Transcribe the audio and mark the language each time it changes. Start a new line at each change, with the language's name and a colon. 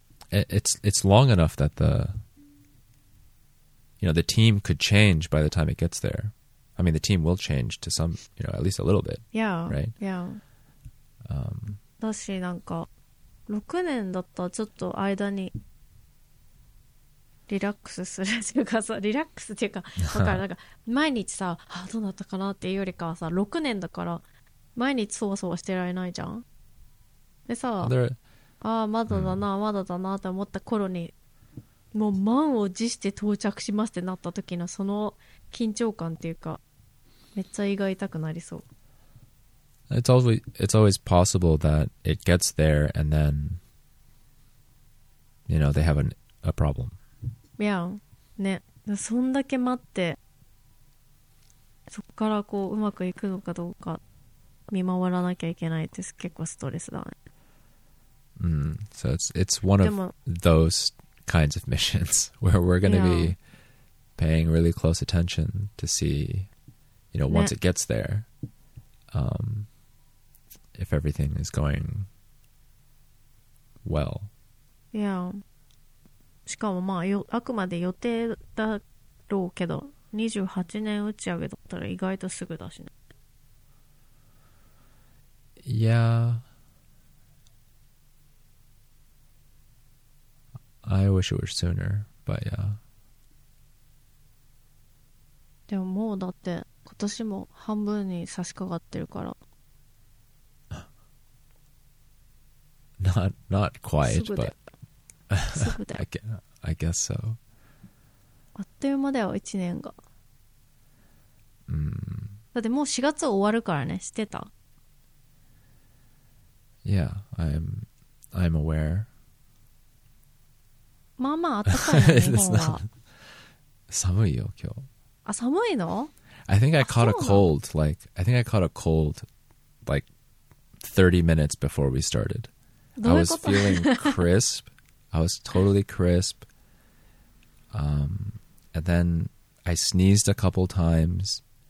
English: It's long enough that the, you know, the team could change by the time it gets there. I mean, the team will change to some, you know, at least a little bit. Yeah. Right?
Japanese: Yeah. だし、なんか6年だったらちょっと間にリラックスするっていうかさ、リラックスっていうか、だからなんか毎日さ、あ、どうだったかなっていうよりかはさ、6年だから毎日そわそわしてられないじゃん。でさ、ああまだだな、まだだなって思った頃にもう満を持して到着しますってなった時のその緊張感っていうか、めっちゃ胃が痛くなりそう。
English: It's always possible that it gets there and then, you know, they have a problem.
Japanese: Yeah, ね、そんだけ待って、そこからこううまくいくのかどうか見守らなきゃいけないって結構ストレスだね。 Mm.
English: So it's one of those kinds of missions where we're going to be paying really close attention to see, you know, once it gets there, if everything is going well. Yeah.
Japanese: しかもまあ、あくまで予定だろうけど、28年打ち上げだったら意外とすぐだしね。
English: Yeah. I wish it were sooner, but yeah.
Japanese: でももうだって今年も半分に差し掛かってるから。
English: Not quite, but I guess so.
Japanese: あっという間だよ、1年が。 Mm. だってもう4月終わるからね、知ってた。
English: Yeah, I'm aware.
Japanese: まあまあ暖かいね、日本は。寒いよ、今日。あ、寒いの？
English: I think I caught a cold, like, I think I caught a cold, like, 30 minutes before we started.
Japanese: どういうこと？
English: I was feeling crisp. I was totally crisp. And then I sneezed a couple times.